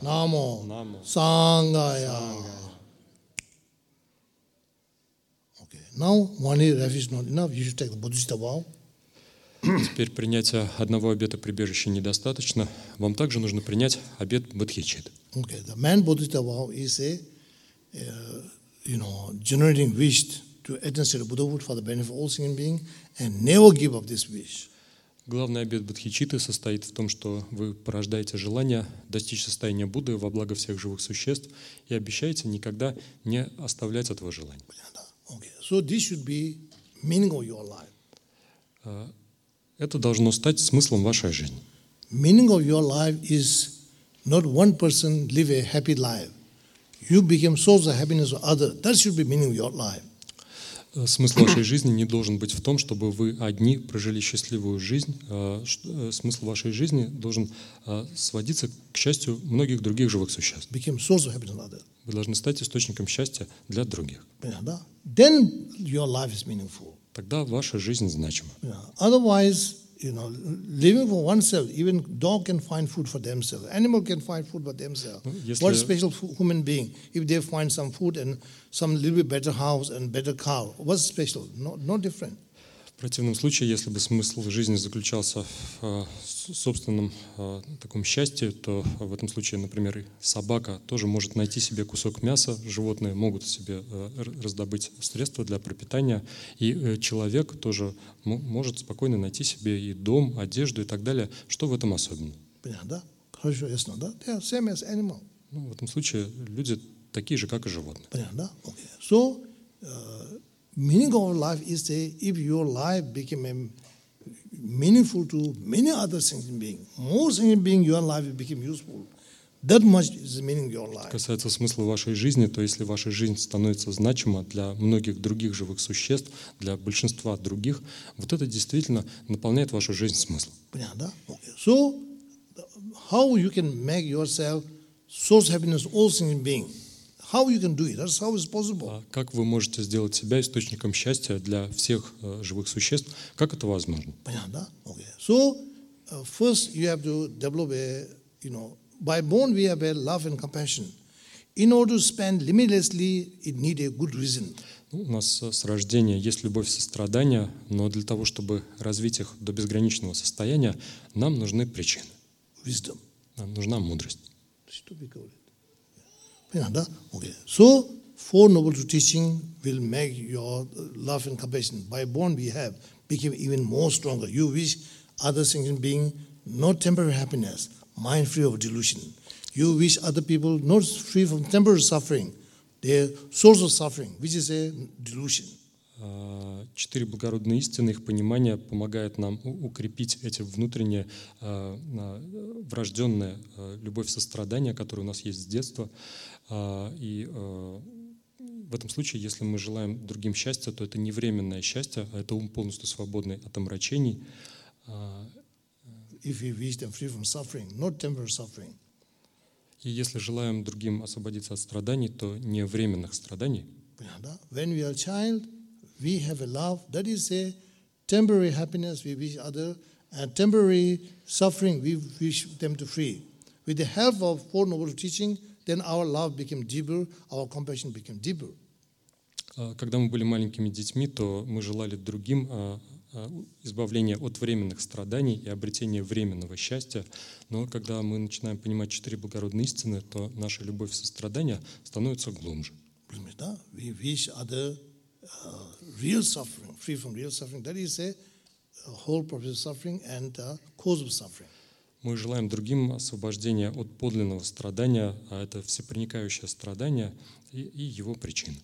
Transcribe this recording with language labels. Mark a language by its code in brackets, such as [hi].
[en] Намо. Намо. Сангая. Now, one year is not enough. You should take the Buddhist vow. [ru] Теперь принятия одного обета прибежища недостаточно. Вам также нужно принять обет бодхичит. [en] Okay, the main Buddhist vow is a, generating wish to attain Buddhahood for the benefit of all sentient beings and never give up this wish. [ru] Главный обет бодхичиты состоит в том, что вы порождаете желание достичь состояния Будды во благо всех живых существ и обещаете никогда не оставлять этого желания. [en] Okay, so this should be meaning of your life. [ru] Это должно стать смыслом вашей жизни. [en] Meaning of your life is not one person live a happy life. You become source of happiness of others. That should be meaning of your life. [ru] Смысл вашей жизни не должен быть в том, чтобы вы одни прожили счастливую жизнь. Смысл вашей жизни должен сводиться к счастью многих других живых существ. [en] Become source of happiness of others. [ru] Вы должны стать источником счастья для других. Да. [en] Then your life is meaningful. [ru] Тогда ваша жизнь значима. [en] Yeah. Otherwise, living for oneself, even dog can find food for themselves. Animal can find food for themselves. What a special human being if they find some food and some little bit better house and better car. What's special? No different. [ru] В противном случае, если бы смысл жизни заключался в собственном таком счастье, то в этом случае, например, собака тоже может найти себе кусок мяса, животные могут себе раздобыть средства для пропитания, и человек тоже может спокойно найти себе и дом, одежду и так далее. Что в этом особенного? Понятно, да? Хорошо, ясно, да? [en] They are same as animal. [ru] Ну, в этом случае люди такие же, как и животные. Понятно, да? [en] Okay. So, meaning of life is that if your life became meaningful to many other sentient beings, more sentient beings, your life became useful. That much is the meaning of your life. [ru] Это касается смысла вашей жизни, то если ваша жизнь становится значима для многих других живых существ, для большинства других, вот это действительно наполняет вашу жизнь смыслом. Понятно, да? [en] Okay. So, how you can make yourself source happiness all sentient beings? How you can do it? That's how it's possible. [ru] Как вы можете сделать себя источником счастья для всех живых существ? Как это возможно? Понятно, да? [en] Okay. So, first you have to develop a, by born we have a love and compassion. In order to spend limitlessly, it need a good reason. [ru] У нас с рождения есть любовь и сострадание, но для того, чтобы развить их до безграничного состояния, нам нужны причины. [en] Wisdom. [ru] Нам нужна мудрость. Что вы говорите? Понятно, да? [en] Okay. So, four noble teachings will make your love and compassion by born we have become even more stronger. You wish other sentient beings not temporary happiness, mind free of delusion. You wish other people not free from temporary suffering, their source of suffering, which is a delusion. [ru] Четыре благородные истины, их понимание помогает нам укрепить эти внутренние врожденные любовь сострадания, которые у нас есть с детства. В этом случае, если мы желаем другим счастья, то это не временное счастье, а это ум полностью свободный от омрачений. [en] If we wish them free from suffering, not temporary suffering. [ru] И если желаем другим освободиться от страданий, то не временных страданий. [en] When we are a child, we have a love, that is a temporary happiness we wish other, and temporary suffering we wish them to free. With the help of Four Noble Teaching, then our love became deeper, our compassion became deeper. [ru] Когда мы были маленькими детьми, то мы желали другим избавления от временных страданий и обретения временного счастья. Но когда мы начинаем понимать четыре благородные истины, то наша любовь и сострадание становится глубже. Да? [en] We wish other real suffering, free from real suffering. That is a whole process of suffering and cause of suffering. [ru] Мы желаем другим освобождения от подлинного страдания, а это всепроникающее страдание и его причин.